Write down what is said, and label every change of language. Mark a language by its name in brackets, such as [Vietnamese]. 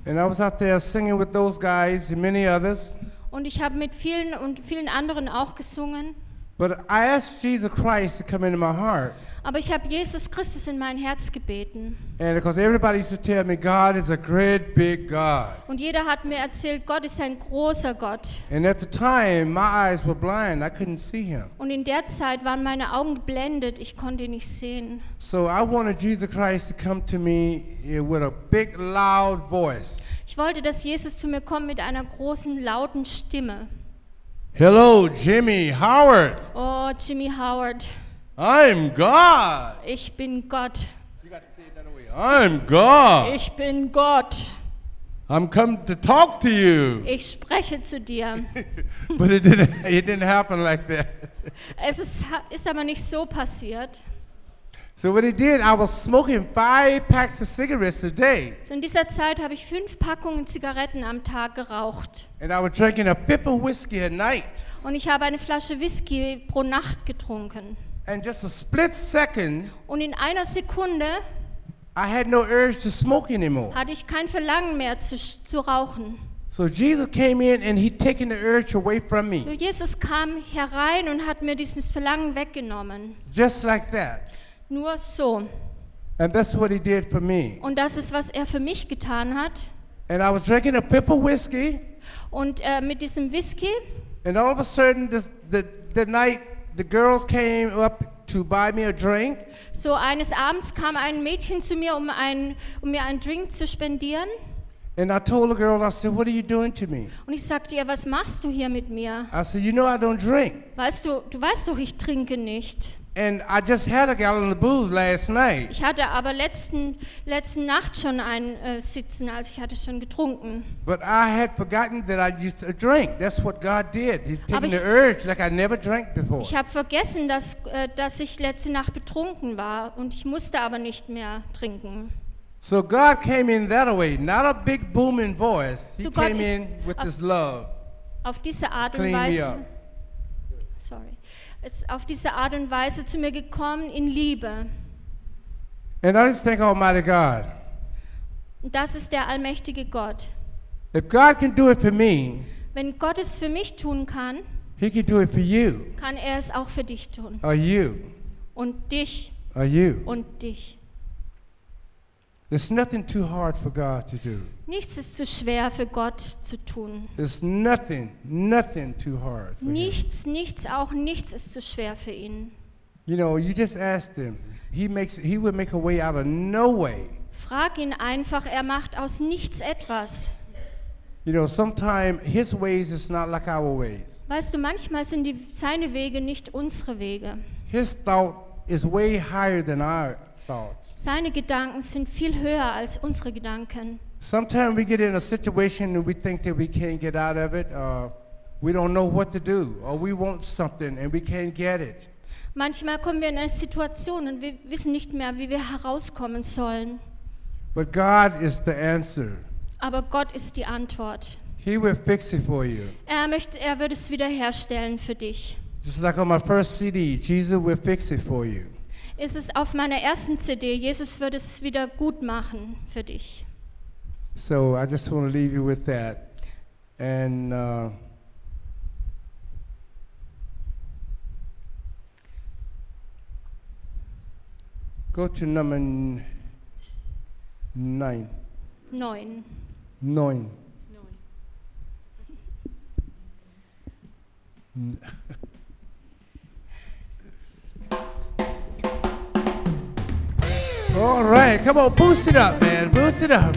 [English] And I was out there singing with those guys and many others. [German] Und ich habe mit vielen anderen auch gesungen. [English] But I asked Jesus Christ to come into my heart. [German] Aber ich habe Jesus Christus in mein Herz gebeten. [English] And because everybody used to tell me, God is a great big God. [German] Und jeder hat mir erzählt, Gott ist ein großer Gott. [English] And at the time, my eyes were blind. I couldn't see him. [German] Und in der Zeit waren meine Augen geblendet. Ich konnte ihn nicht sehen. [English] So I wanted Jesus Christ to come to me with a big, loud voice. [German] Ich wollte, dass Jesus zu mir kommt mit einer großen, lauten Stimme. [English] Hello, Jimmy Howard. [German] Oh, Jimmy Howard. [English] I'm God. [German] Ich bin Gott. [English] You got to say it that way. I'm God. [German] Ich bin Gott. [English] I'm come to talk to you. [German] Ich spreche zu dir. [English] But it didn't happen like that. [German] Es ist aber nicht so passiert. [English] So what he did, I was smoking 5 packs of cigarettes a day. [German] So in dieser Zeit habe ich 5 Packungen Zigaretten am Tag geraucht. [English] And I was drinking a fifth of whiskey a night. [German] Und ich habe eine Flasche Whisky pro Nacht getrunken. [English] And just a split second, [German] und in einer Sekunde, [English] I had no urge to smoke anymore. [German] Hatte ich kein Verlangen mehr zu rauchen. [English] So Jesus came in and he taken the urge away from me. [German] So Jesus kam herein und hat mir dieses Verlangen weggenommen. [English] Just like that. [German] Nur so. [English] And that's what he did for me. [German] Und das ist, was er für mich getan hat. [English] And I was drinking a fifth of whiskey. [German] Und mit diesem Whisky. [English] And all of a sudden, the night. The girls came up to buy me a drink. [German] So eines Abends kam ein Mädchen zu mir, um mir einen Drink zu spendieren. [English] And I told the girl, I said, "What are you doing to me?" [German] Und ich sagte ihr, was machst du hier mit mir? [English] I said, "You know I don't drink." [German] Weißt du, ich trinke nicht. [English] And I just had a gallon of booze last night. [German] Ich hatte aber letzten Nacht schon einen sitzen, also ich hatte schon getrunken. [English] But I had forgotten that I used to drink. That's what God did. He's taken the urge like I never drank before. [German] Ich habe vergessen, dass ich letzte Nacht betrunken war und ich musste aber nicht mehr trinken. [English] So God came in that way, not a big booming voice. He came in with his love. [German] Auf diese Art und Weise. Sorry. Ist auf diese Art und Weise zu mir gekommen in Liebe. [English] And I just thank Almighty God. [German] Das ist der allmächtige Gott. [English] If God can do it for me, [German] wenn Gott es für mich tun kann, [English] he can do it for you. [German] Kann er es auch für dich tun. [English] Are you? [German] Und dich. [English] Are you? [German] Und dich. [English] There's nothing too hard for God to do. [German] Nichts ist zu schwer für Gott zu tun. [English] There's nothing too hard for [German] nichts, [English] him. [German] Nichts, auch nichts ist zu schwer für ihn. [English] You know, you just ask him. He will make a way out of no way. [German] Frag ihn einfach, er macht aus nichts etwas. [English] You know, sometimes his ways is not like our ways. [German] Weißt du, manchmal sind seine Wege nicht unsere Wege. [English] His thought is way higher than ours. [German] Seine Gedanken sind viel höher als unsere Gedanken. [English] Sometimes we get in a situation and we think that we can't get out of it, or we don't know what to do, or we want something and we can't get it. [German] Manchmal kommen wir in eine Situation und wir wissen nicht mehr, wie wir herauskommen sollen. [English] But God is the answer. [German] Aber Gott ist die Antwort. [English] He will fix it for you. [German] Er wird es wiederherstellen für dich. [English] Just like on my first CD, Jesus will fix it for you. [German] Ist es auf meiner ersten CD, Jesus wird es wieder gut machen für dich. [English] So I just want to leave you with that. And Go to number 9. All right, come on, boost it up, man. Boost it up.